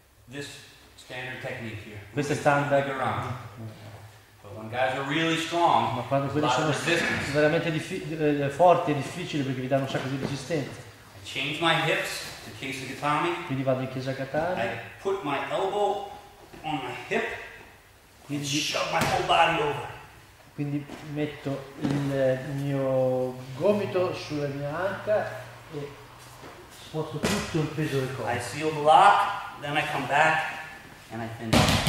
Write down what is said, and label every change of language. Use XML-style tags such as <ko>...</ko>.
<en>This standard technique here.</en> <it>Questo è standard.</it> <en>But when guys are really strong,</en> <it>ma quando quelli sono veramente forti è difficile perché vi danno un sacco di resistenza.</it> <en>I change my hips.</en> <it>Quindi vado in chiesa Katami.</it> <en>I put my elbow on my hip and shove my whole body over.</en> <it>Quindi metto il mio gomito sulla mia anca e sposto tutto il peso del corpo.</it> <en>I seal the lock, then I come back and I finish.</en>